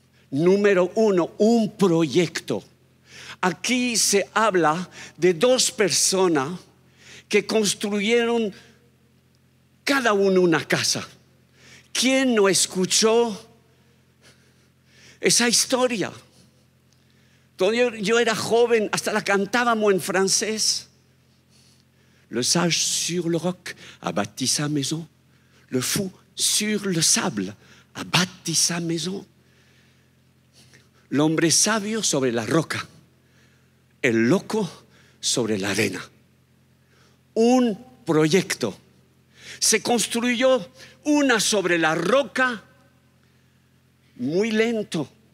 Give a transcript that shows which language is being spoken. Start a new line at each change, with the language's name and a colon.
Spanish: Número uno, un proyecto. Aquí se habla de dos personas que construyeron cada uno una casa. ¿Quién no escuchó esa historia? Entonces yo era joven, hasta la cantábamos en francés.
French: Le sage sur le roc a bâti sa maison. Le fou sur le sable a bâti sa maison.
Spanish: El hombre sabio sobre la roca, el loco sobre la arena. Un proyecto. Se construyó una sobre la roca, muy lento.